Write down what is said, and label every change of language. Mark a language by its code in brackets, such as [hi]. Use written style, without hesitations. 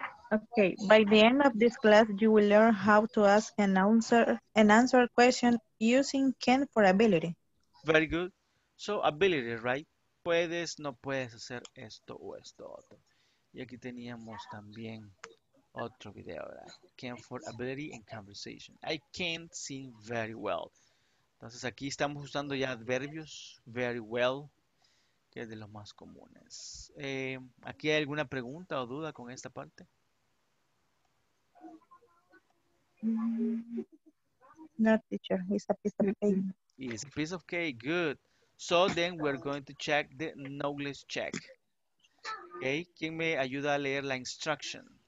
[en] Okay, by the end of this class, you will learn how to ask an answer question using can for ability. Very good. So, ability, right? [es] Puedes, no puedes hacer esto o esto otro. Y aquí teníamos también otro video, ¿verdad? [en] Can for ability and conversation. I can't sing very well. [es] Entonces, aquí estamos usando ya adverbios, very well, que es de los más comunes. ¿Aquí hay alguna pregunta o duda con esta parte? [en] No, teacher, it's a piece of cake. It's a piece of cake, good. So then we're going to check the knowledge check. [es] Okay, ¿quién me ayuda a leer la instruction?